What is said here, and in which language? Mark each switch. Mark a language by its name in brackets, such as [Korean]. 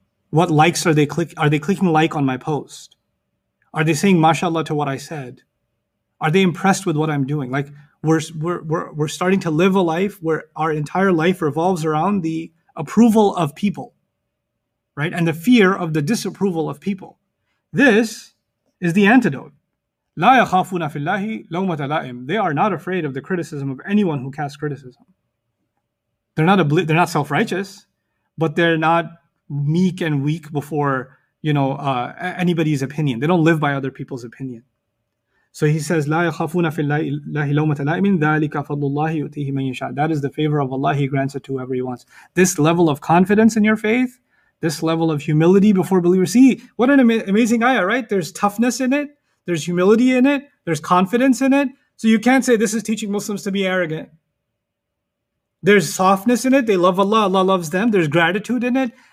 [English] What likes are they clicking? Are they clicking like on my post? Are they saying mashallah to what I said? Are they impressed with what I'm doing? Like, we're starting to live a life where our entire life revolves around the approval of people, right? And the fear of the disapproval of people. This is the antidote. [Arabic] لا يخافون في الله لومة لائم. [English] They are not afraid of the criticism of anyone who casts criticism. They're not self-righteous, but they're not meek and weak before, you know, anybody's opinion. They don't live by other people's opinion. So he says, [Arabic] لا يخافون في الله لومة لائم. ذلك فضل الله يؤتيه من يشاء. [English] That is the favor of Allah. He grants it to whoever he wants. This level of confidence in your faith, this level of humility before believers. See, what an amazing ayah, right? There's toughness in it. There's humility in it. There's confidence in it. So you can't say this is teaching Muslims to be arrogant. There's softness in it. They love Allah. Allah loves them. There's gratitude in it.